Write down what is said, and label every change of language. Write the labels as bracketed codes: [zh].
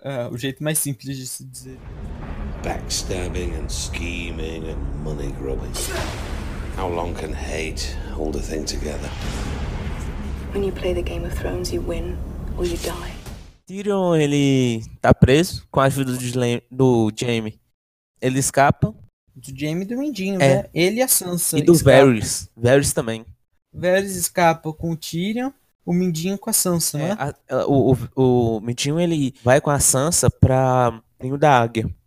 [pt] O jeito mais simples de se dizer. [en] Backstabbing and scheming and money grubbing. How long can hate hold a thing together? When you play the Game of Thrones, you win or you die. [pt] Tyrion, ele tá preso com a ajuda do Jaime. Ele escapa Do Jaime e do Mindinho, né? Ele e a Sansa. E do Varys. Varys também. Varys escapa com o Tyrion, o Mindinho com a Sansa, né? O Mindinho, ele vai com a Sansa pra Ninho da Águia.